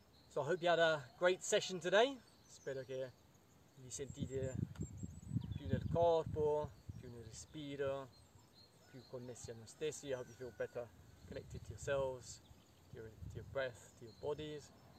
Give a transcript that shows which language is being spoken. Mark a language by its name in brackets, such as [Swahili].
[English] So I hope you had a great session today. [Italian] Spero che vi sentite più nel corpo, più nel respiro, più connessi a noi stessi. [English] I hope you feel better connected to yourselves, to your breath, to your bodies.